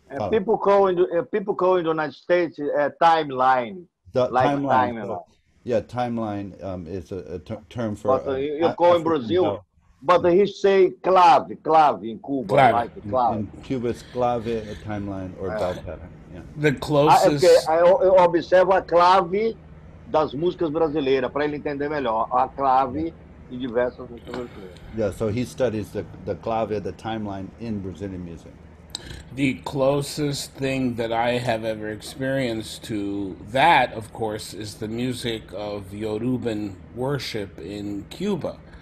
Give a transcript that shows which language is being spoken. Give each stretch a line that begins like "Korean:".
English: People call in the United States a timeline. Timeline is a term for... You call in Brazil... No. But he say clave in Cuba, clave. Like clave. In Cuba, it's clave, a timeline, or bell pattern. Yeah. The closest.
Portuguese: Eu observo a clave das músicas brasileiras para ele entender melhor a clave de diversas músicas brasileiras.
English: Yeah, so he studies the clave, the timeline in Brazilian music. The closest thing that I have ever experienced to that, of course, is the music of Yoruban worship in Cuba.